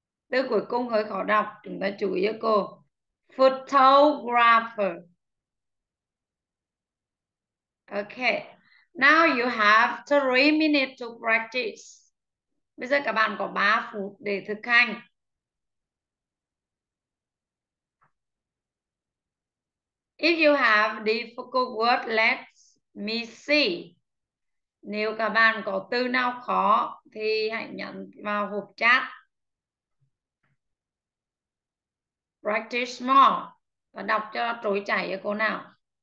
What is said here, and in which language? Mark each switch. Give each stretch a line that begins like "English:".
Vietnamese: Từ cuối cùng hơi khó đọc, chúng ta chú ý cho cô. Photographer.
English: Okay, now you have 3 minutes to practice.
Vietnamese: Bây giờ các bạn có 3 phút để thực hành.
English: If you have difficult word, let me see.
Vietnamese: Nếu các bạn có từ nào khó thì hãy nhắn vào hộp chat.
English: Practice more.
Vietnamese: Và đọc cho trôi chảy cho cô nào.